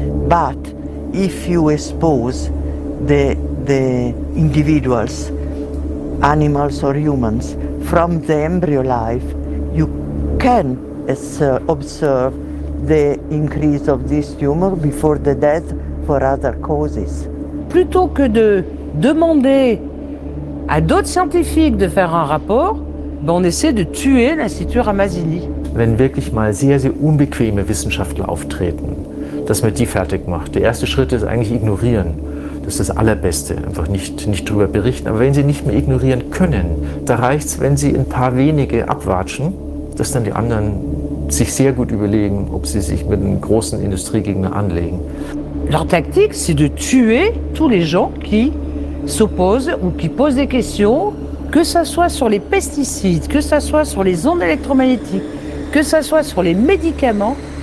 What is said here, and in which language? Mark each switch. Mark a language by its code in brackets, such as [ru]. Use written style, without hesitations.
[en] But if you expose the individuals, animals or humans, from the embryo life, you can observe the increase of this tumor before the death for other causes. [fr] Plutôt que de demander à d'autres scientifiques de faire un rapport, on essaie de tuer l'Institut Ramazzini. [de] Wenn wirklich mal sehr, sehr unbequeme Wissenschaftler auftreten, dass man die fertig macht. Der erste Schritt ist eigentlich ignorieren. Das ist das Allerbeste, einfach nicht drüber berichten. Aber wenn Sie nicht mehr ignorieren können, da reicht es, wenn Sie ein paar wenige abwatschen, dass dann die anderen sich sehr gut überlegen, ob sie sich mit einem großen Industriegegner anlegen. [fr] Leur tactique, c'est de tuer tous les gens qui s'opposent ou qui posent des questions, que ce soit sur les pesticides, que ce soit sur les ondes électromagnétiques, que ce soit sur les médicaments.